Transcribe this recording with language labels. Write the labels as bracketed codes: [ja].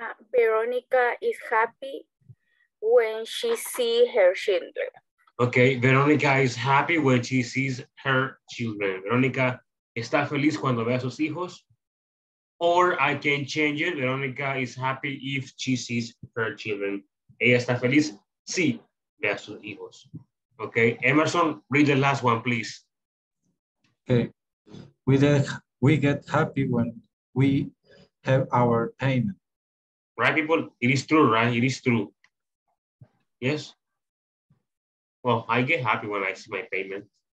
[en] Veronica is happy when she sees her children. Okay, Veronica is happy when she sees her children. [es] Veronica está feliz cuando ve a sus hijos. [en] Or I can change it. Veronica is happy if she sees her children. [es] Ella está feliz si ve a sus hijos. [en] Okay, Emerson, read the last one, please. Okay, we get happy when we have our payment. Right, people? It is true, right? It is true. Yes? Well, I get happy when I see my payment.